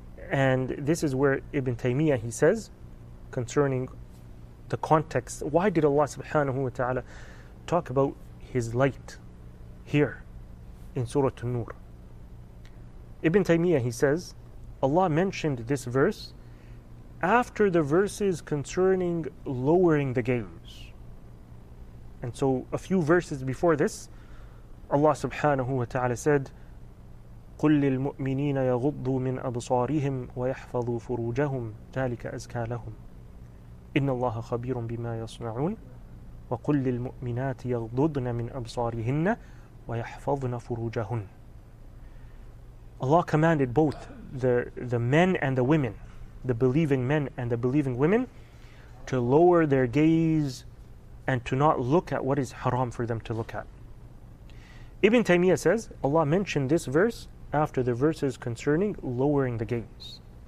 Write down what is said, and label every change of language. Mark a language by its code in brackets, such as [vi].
[en] And this is where Ibn Taymiyyah, he says, concerning the context, why did Allah subhanahu wa ta'ala talk about His light here in Surah An-Nur? Ibn Taymiyyah, he says, Allah mentioned this verse after the verses concerning lowering the gaze. And so a few verses before this, Allah subhanahu wa ta'ala said, [ar] قُلْ لِلْمُؤْمِنِينَ يَغُضُّوا مِنْ أَبْصَارِهِمْ وَيَحْفَظُوا فُرُوجَهُمْ ذَلِكَ أَزْكَى لَهُمْ إِنَّ اللَّهَ خَبِيرٌ بِمَا يَصْنَعُونَ وَقُلْ لِلْمُؤْمِنَاتِ يَغْضُضْنَ مِنْ أَبْصَارِهِنَّ وَيَحْفَظْنَ فُرُوجَهُنَّ. [en] Allah commanded both the men and the women, the believing men and the believing women, to lower their gaze and to not look at what is haram for them to look at. Ibn Taymiyyah says, Allah mentioned this verse after the verses concerning lowering the gaze.